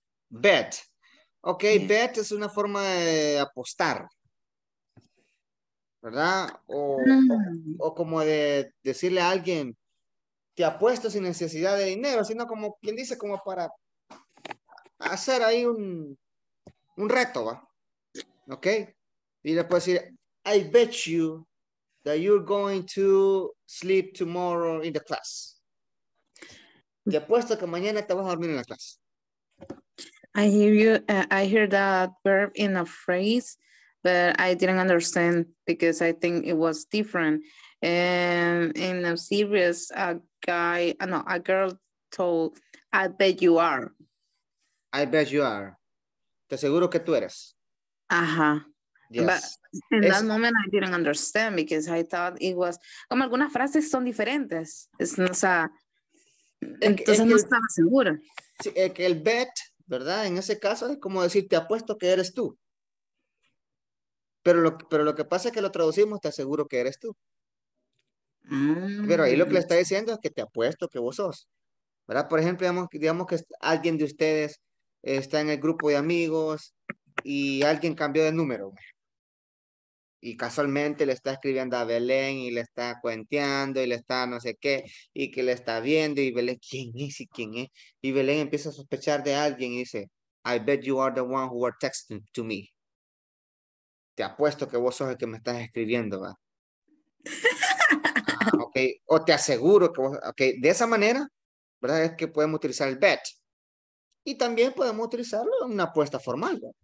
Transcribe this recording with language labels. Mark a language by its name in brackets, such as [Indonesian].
[Spanish] Bet. Ok, yes. Bet es una forma de apostar. ¿Verdad? O como de decirle a alguien, te apuesto sin necesidad de dinero, sino como quien dice, como para hacer ahí un reto, ¿va? Ok. Y le puedo decir, [English] I bet you that you're going to sleep tomorrow in the class. [Spanish] Te apuesto que mañana te vas a dormir en la clase. [English] I hear you. I hear that verb in a phrase but I didn't understand because I think it was different. And in a series, a girl told, I bet you are. I bet you are. [Spanish] Te aseguro que tú eres. [English] Ajá. Yes. But in that moment, I didn't understand because I thought it was, [Spanish] como algunas frases son diferentes. Es, o sea, entonces no estaba segura. Sí, el bet, ¿verdad? En ese caso es como decir, te apuesto que eres tú. Pero lo que pasa es que lo traducimos, te aseguro que eres tú. Pero ahí lo que le está diciendo es que te apuesto que vos sos, ¿verdad? Por ejemplo, digamos que alguien de ustedes está en el grupo de amigos y alguien cambió de número y casualmente le está escribiendo a Belén y le está cuenteando y le está no sé qué y que le está viendo y Belén, ¿quién es y quién es? Y Belén empieza a sospechar de alguien y dice, [English] I bet you are the one who were texting to me. [Spanish] Te apuesto que vos sos el que me estás escribiendo, ¿verdad? Okay. O te aseguro que vos, okay. De esa manera, ¿verdad? Es que podemos utilizar el bet. Y también podemos utilizarlo en una apuesta formal.